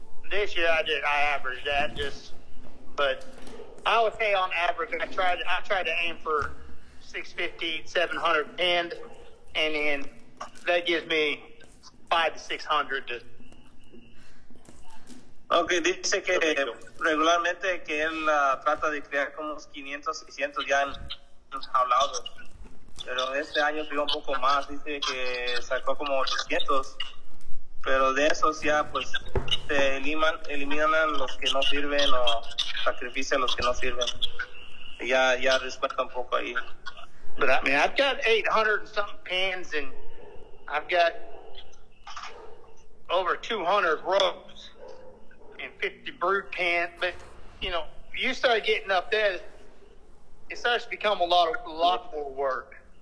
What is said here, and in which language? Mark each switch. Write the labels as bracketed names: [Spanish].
[English] This year I averaged that, just, but I would say on average, I tried to aim for 650, 700 pinned, and then that gives me 500 to 600. [Spanish] Okay, dice que regularmente que él trata de crear como 500, 600 ya en jaulados. Pero este año crió un poco más, dice que sacó como 800. Pero de esos ya, pues, se eliminan los que no sirven o sacrifican los que no sirven. Ya respeta un poco ahí. [English] But I mean, I've got 800 and something pans, and I've got over 200 rugs and 50 brood pans. But, you know, you start getting up there, it starts to become a lot more work.